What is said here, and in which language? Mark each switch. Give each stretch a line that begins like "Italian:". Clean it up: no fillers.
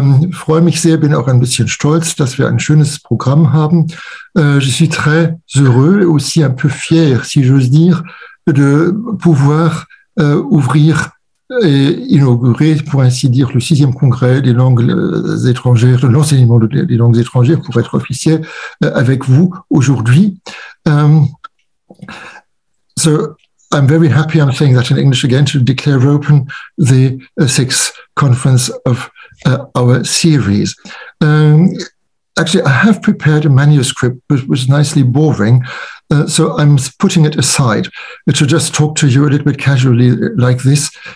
German: Freue mich sehr, bin auch ein bisschen stolz, dass wir ein schönes Programm haben.
French: Je suis très heureux et aussi un peu fier, si j'ose dire, de pouvoir ouvrir et inaugurer, pour ainsi dire, le 6e congrès des langues étrangères, de l'enseignement des langues étrangères, pour être officiel, avec vous aujourd'hui.
English: So I'm very happy, I'm saying that in English again, to declare open the 6th conference of our series. Actually, I have prepared a manuscript, which was nicely boring, so I'm putting it aside to just talk to you a little bit casually like this.